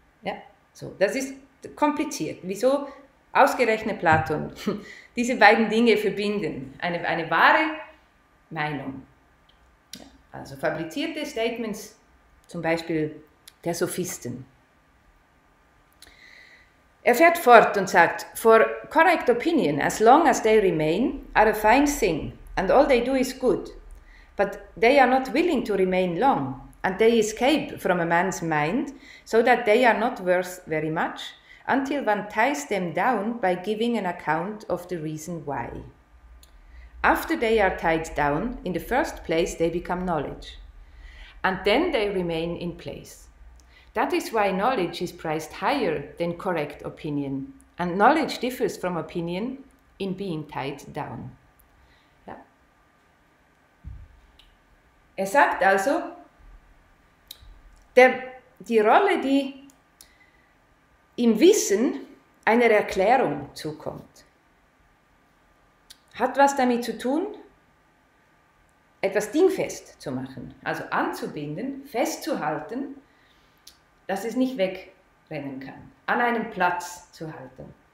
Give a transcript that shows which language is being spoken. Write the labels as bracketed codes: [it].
[de] Ja, so, das ist kompliziert. Wieso ausgerechnet Platon diese beiden Dinge verbinden? Eine wahre Meinung. Ja, also fabrizierte Statements, zum Beispiel der Sophisten. Er fährt fort und sagt, [en] for correct opinion, as long as they remain, are a fine thing, and all they do is good. But they are not willing to remain long, and they escape from a man's mind, so that they are not worth very much, until one ties them down by giving an account of the reason why. After they are tied down, in the first place they become knowledge, and then they remain in place. That is why knowledge is priced higher than correct opinion. And knowledge differs from opinion in being tied down. [de] Ja. Er sagt also, die Rolle, die im Wissen einer Erklärung zukommt, hat was damit zu tun, etwas dingfest zu machen, also anzubinden, festzuhalten, dass es nicht wegrennen kann, an einem Platz zu halten.